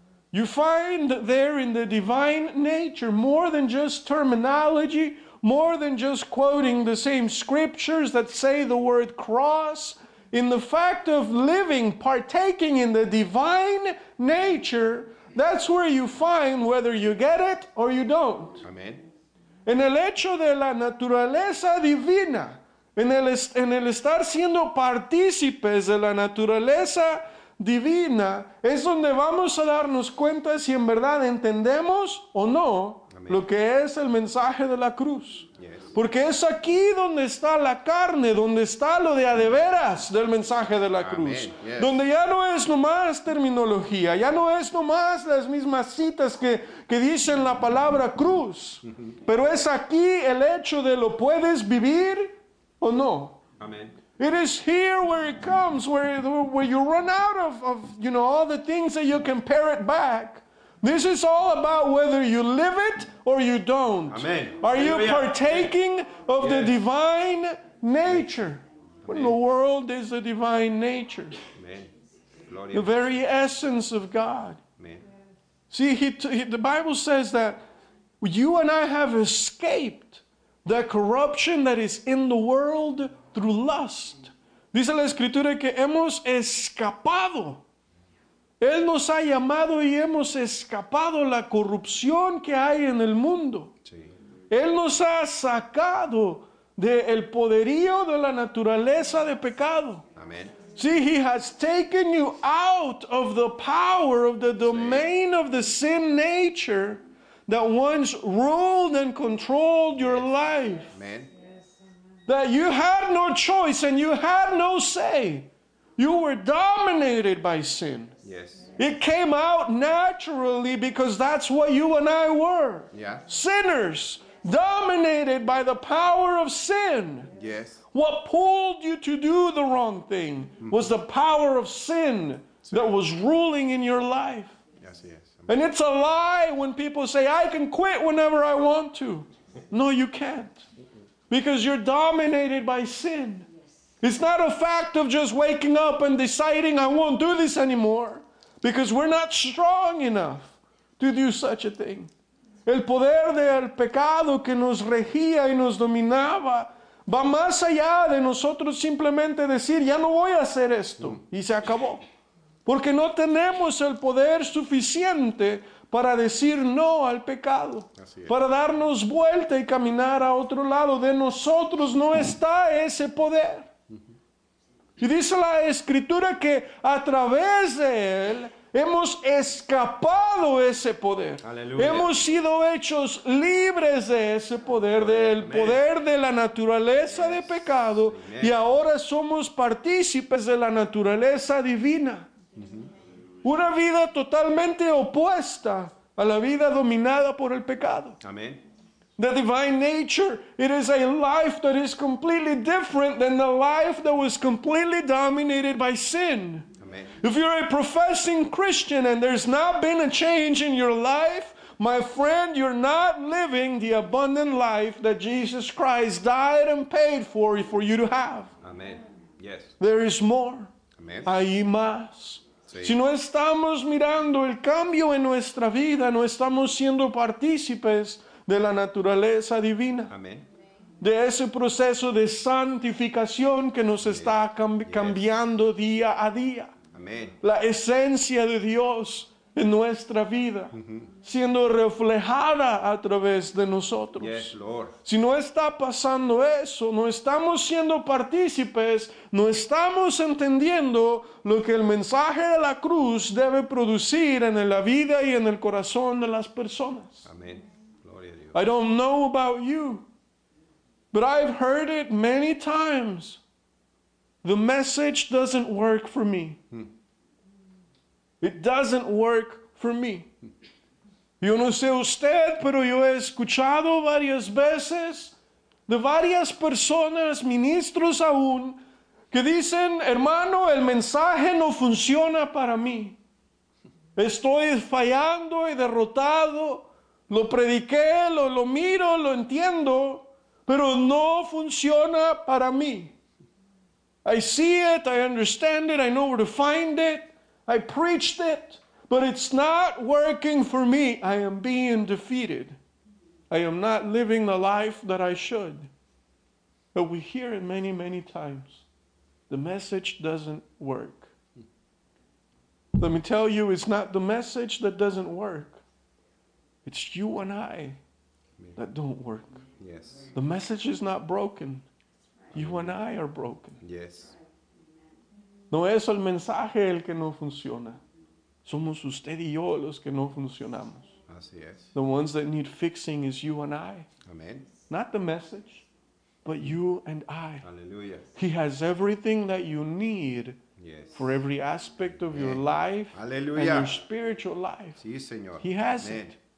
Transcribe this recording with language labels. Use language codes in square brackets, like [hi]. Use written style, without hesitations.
[en] You find there in the divine nature more than just terminology, more than just quoting the same scriptures that say the word cross. In the fact of living, partaking in the divine nature, that's where you find whether you get it or you don't. Amen. [es] En el hecho de la naturaleza divina, en el estar siendo partícipes de la naturaleza divina, es donde vamos a darnos cuenta si en verdad entendemos o no. Amén. Lo que es el mensaje de la cruz. [en] Yes. [es] Porque es aquí donde está la carne, donde está lo de a de veras del mensaje de la cruz. [en] Yes. [es] Donde ya no es nomás terminología, ya no es nomás las mismas citas que dicen la palabra cruz. Pero es aquí el hecho de lo puedes vivir o no. [en] Amén. It is here where it comes, where you run out of you know, all the things that you can pare it back. This is all about whether you live it or you don't. Amen. Are you partaking of the divine nature? Amen. What in the world is the divine nature? Amen. Gloria. The very essence of God. Amen. See, the Bible says that you and I have escaped the corruption that is in the world through lust. [es] Dice la Escritura que hemos escapado. Él nos ha llamado y hemos escapado la corrupción que hay en el mundo. Sí. Él nos ha sacado del poderío de la naturaleza de pecado. [en] Amen. See, he has taken you out of the power of the domain of the sin nature that once ruled and controlled your life. Amen. That you had no choice and you had no say. You were dominated by sin. Yes. It came out naturally because that's what you and I were. Yeah. Sinners, dominated by the power of sin. Yes. What pulled you to do the wrong thing was the power of sin that was ruling in your life. Yes, yes. And it's a lie when people say, I can quit whenever I want to. No, you can't. Because you're dominated by sin. It's not a fact of just waking up and deciding I won't do this anymore, because we're not strong enough to do such a thing. [es] El poder del pecado que nos regía y nos dominaba va más allá de nosotros simplemente decir, ya no voy a hacer esto, y se acabó. Porque no tenemos el poder suficiente para decir no al pecado, para darnos vuelta y caminar a otro lado. De nosotros no está ese poder. Y dice la Escritura que a través de Él hemos escapado ese poder. Aleluya. Hemos sido hechos libres de ese poder, aleluya, del poder de la naturaleza de pecado. [en] Amen. [es] Y ahora somos partícipes de la naturaleza divina. Uh-huh. Una vida totalmente opuesta a la vida dominada por el pecado. Amén. [en] The divine nature, it is a life that is completely different than the life that was completely dominated by sin. Amen. If you're a professing Christian and there's not been a change in your life, my friend, you're not living the abundant life that Jesus Christ died and paid for you to have. Amen. Yes. There is more. Amen. [es] Hay más. Sí. Si no estamos mirando el cambio en nuestra vida, no estamos siendo partícipes de la naturaleza divina. Amén. De ese proceso de santificación que nos está cambiando día a día. Amén. La esencia de Dios en nuestra vida, siendo reflejada a través de nosotros. [en] Yes, Lord. [es] Si no está pasando eso, no estamos siendo partícipes, no estamos entendiendo lo que el mensaje de la cruz debe producir en la vida y en el corazón de las personas. Amén. [en] I don't know about you, but I've heard it many times. The message doesn't work for me. It doesn't work for me. [es] Yo no sé usted, pero yo he escuchado varias veces de varias personas, ministros aún, que dicen, hermano, el mensaje no funciona para mí. Estoy fallando y derrotado. Lo prediqué, lo miro, lo entiendo, pero no funciona para mí. [en] I see it, I understand it, I know where to find it, I preached it, but it's not working for me. I am being defeated. I am not living the life that I should. But we hear it many, many times. The message doesn't work. Let me tell you, it's not the message that doesn't work. It's you and I that don't work. Yes. The message is not broken. You and I are broken. Yes. [es] No es el mensaje el que no funciona. Somos usted y yo los que no funcionamos. Así es. [en] The ones that need fixing is you and I. Amen. Not the message, but you and I. Hallelujah. He has everything that you need. Yes. For every aspect of your life. Hallelujah. And your spiritual life. [es] Sí, Señor. [en] He has it.